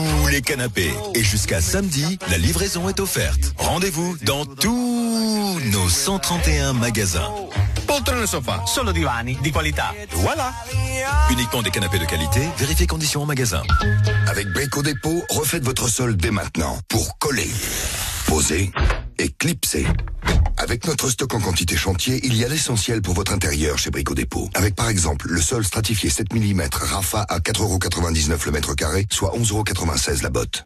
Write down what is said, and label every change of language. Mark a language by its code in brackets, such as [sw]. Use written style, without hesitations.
[fr] Les canapés. Et jusqu'à samedi, la livraison est offerte. Rendez-vous dans tous nos 131 magasins. [it] Poltrone Sofa, solo divani di qualità. [fr] Voilà. Uniquement des canapés de qualité, vérifiez conditions en magasin. Avec Brico Dépôt, refaites votre sol dès maintenant pour coller, poser et clipser. Avec notre stock en quantité chantier, il y a l'essentiel pour votre intérieur chez Brico Dépôt. Avec par exemple le sol stratifié 7 mm Rafa à 4,99€ le mètre carré, soit 11,96€ la botte.